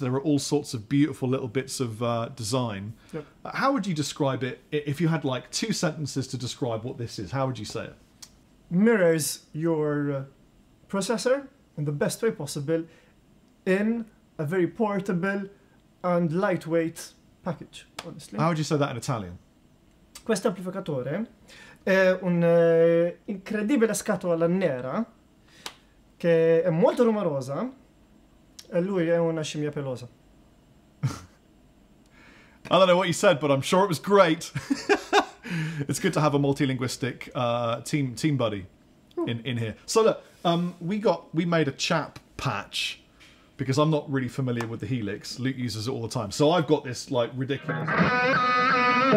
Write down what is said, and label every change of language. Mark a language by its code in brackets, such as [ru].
[en] There are all sorts of beautiful little bits of design. Yep. How would you describe it if you had like two sentences to describe what this is? How would you say it? Mirrors your processor in the best way possible in a very portable, and lightweight package, honestly. How would you say that in Italian? [it] Questo amplificatore è un incredibile scatola nera che è molto rumorosa e lui è una scimmia pelosa. [en] I don't know what you said, but I'm sure it was great. It's good to have a multilinguistic team buddy in here. So look, we made a chap patch because I'm not really familiar with the Helix. Luke uses it all the time. So I've got this like ridiculous.